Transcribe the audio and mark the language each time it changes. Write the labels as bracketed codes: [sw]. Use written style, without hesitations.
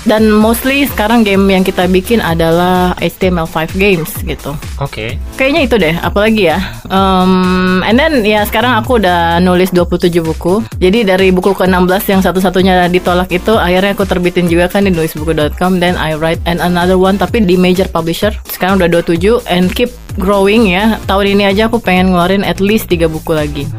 [id] Dan mostly sekarang game yang kita bikin adalah HTML5 games gitu. Oke. Okay. Kayaknya itu deh, apalagi ya. [en] And then [id] ya sekarang aku udah nulis 27 buku. Jadi dari buku ke-16 yang satu-satunya ditolak itu, akhirnya aku terbitin juga kan di nulisbuku.com. [en] Then I write and another one, [id] tapi di [en] major publisher. [id] Sekarang udah 27 [en] and keep growing [id] ya. Tahun ini aja aku pengen ngeluarin [en] at least [id] 3 buku lagi.